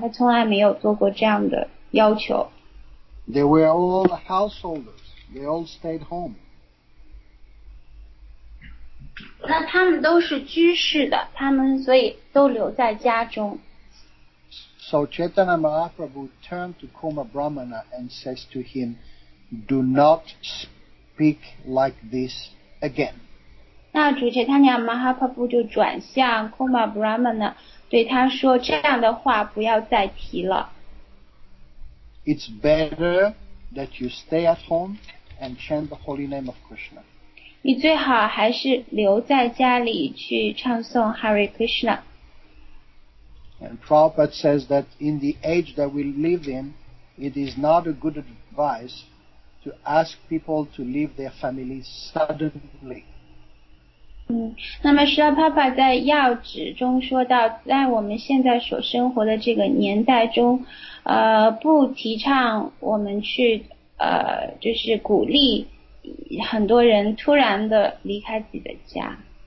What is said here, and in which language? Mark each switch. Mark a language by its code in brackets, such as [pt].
[zh] 他从来没有做过这样的要求。 [en] They were all householders. They all stayed home. [zh] 那他们都是居士的，他们所以都留在家中。 [en] So Chaitanya Mahaprabhu turned to Koma Brahmana and says to him,Do not speak like this again. [zh] 那主 Chaitanya Mahaprabhu 就转向 Koma Brahmana 对他说这样的话不要再提了。 [en] It's better that you stay at home and chant the holy name of Krishna. [zh] 你最好还是留在家里去唱诵 Hare Krishna. [en] And Prabhupada says that in the age that we live in, it is not a good advice. To ask people to leave their families suddenly. [zh] 那么释迦牟尼佛在要旨中说到，在我们现在所生活的这个年代中，不提倡我们去就是鼓励很多人突然的离开自己的家。